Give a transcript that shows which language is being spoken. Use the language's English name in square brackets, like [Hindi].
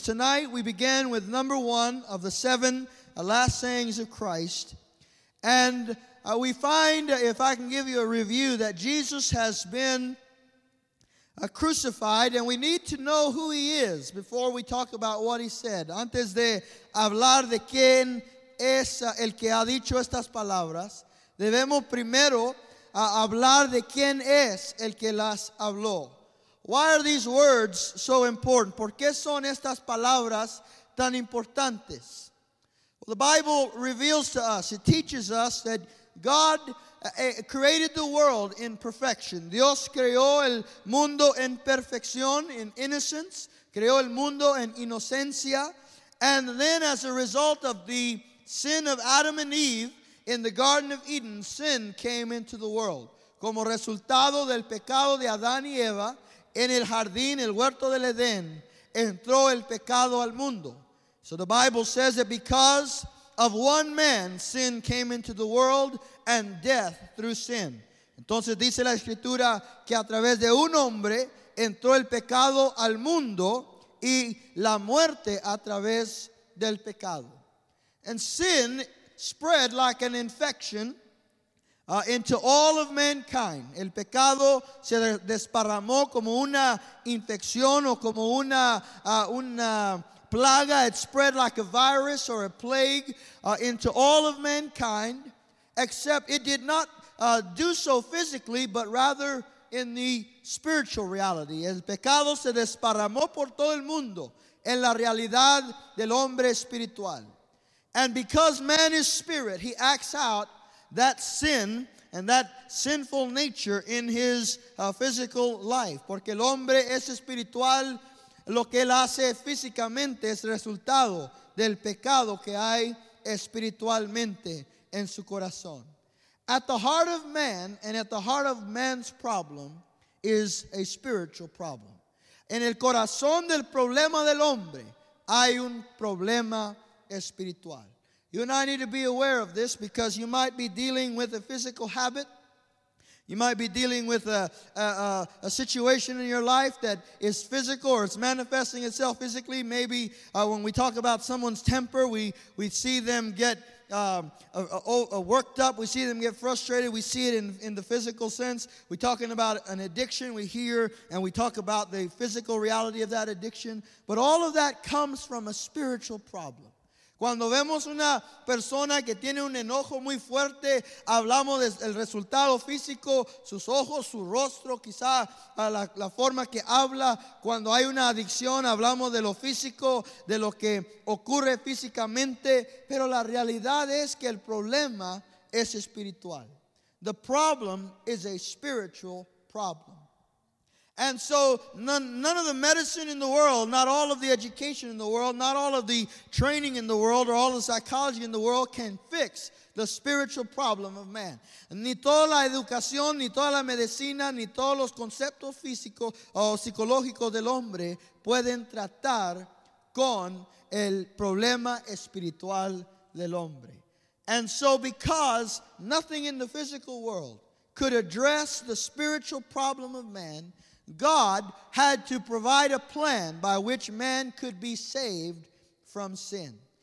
[English] Tonight we begin with number one of the seven last sayings of Christ. And we find, if I can give you a review, that Jesus has been crucified, and we need to know who he is before we talk about what he said. [Spanish] Antes de hablar de quién es el que ha dicho estas palabras, debemos primero hablar de quién es el que las habló. [English] Why are these words so important? [Spanish] ¿Por qué son estas palabras tan importantes? [English] Well, the Bible reveals to us, it teaches us that God created the world in perfection. [Spanish] Dios creó el mundo en perfección, [English] in innocence. [Spanish] Creó el mundo en inocencia. [English] And then as a result of the sin of Adam and Eve in the Garden of Eden, sin came into the world. [Spanish] Como resultado del pecado de Adán y Eva, en el jardín, el huerto del Edén, entró el pecado al mundo. [English] So the Bible says that because of one man, sin came into the world and death through sin. [Spanish] Entonces dice la Escritura que a través de un hombre entró el pecado al mundo y la muerte a través del pecado. [English] And sin spread like an infection into all of mankind. [Spanish] El pecado se desparramó como una infección o como una plaga. [English] It spread like a virus or a plague into all of mankind, except it did not do so physically, but rather in the spiritual reality. [Spanish] El pecado se desparramó por todo el mundo en la realidad del hombre espiritual. [English] And because man is spirit, he acts out that sin and that sinful nature in his physical life. [Spanish] Porque el hombre es espiritual, lo que él hace físicamente es resultado del pecado que hay espiritualmente en su corazón. [English] At the heart of man and at the heart of man's problem is a spiritual problem. [Spanish] En el corazón del problema del hombre hay un problema espiritual. [English] You and I need to be aware of this because you might be dealing with a physical habit. You might be dealing with a situation in your life that is physical or it's manifesting itself physically. Maybe when we talk about someone's temper, we see them get worked up. We see them get frustrated. We see it in the physical sense. We're talking about an addiction. We hear and we talk about the physical reality of that addiction. But all of that comes from a spiritual problem. [Spanish] Cuando vemos una persona que tiene un enojo muy fuerte, hablamos del resultado físico, sus ojos, su rostro, quizá la forma que habla. Cuando hay una adicción, hablamos de lo físico, de lo que ocurre físicamente. Pero la realidad es que el problema es espiritual. [English] The problem is a spiritual problem. And so none of the medicine in the world, not all of the education in the world, not all of the training in the world or all the psychology in the world can fix the spiritual problem of man. Ni toda la educación, ni toda la medicina, ni todos los conceptos físicos o psicológicos del hombre pueden tratar con el problema espiritual del hombre. And so because nothing in the physical world could address the spiritual problem of man, God had to provide a plan by which man could be saved from sin.